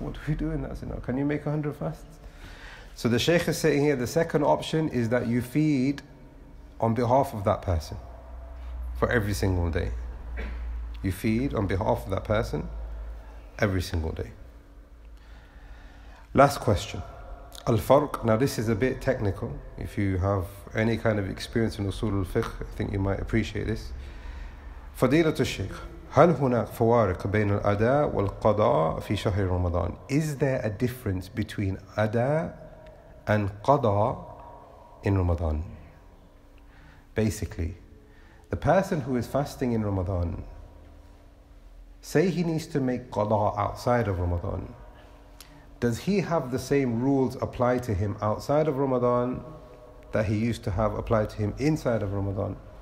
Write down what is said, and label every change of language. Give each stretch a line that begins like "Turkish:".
English: What do we do in that scenario? Can you make 100 fasts? So the Shaykh is saying here, the second option is that you feed on behalf of that person for every single day. You feed on behalf of that person every single day. Last question. Al-Farq, now this is a bit technical. If you have any kind of experience in Usul al-Fiqh, I think you might appreciate this.
Arabic: Fadilatul Shaykh, هَلْ هُنَاكْ فَوَارِقْ بَيْنَ الْأَدَىٰ وَالْقَضَىٰ فِي شَهْرِ رَمَضَانِ.
English: Is there a difference between Ada and Qadha in Ramadan? Basically, the person who is fasting in Ramadan, say he needs to make Qadha outside of Ramadan, does he have the same rules apply to him outside of Ramadan that he used to have applied to him inside of Ramadan?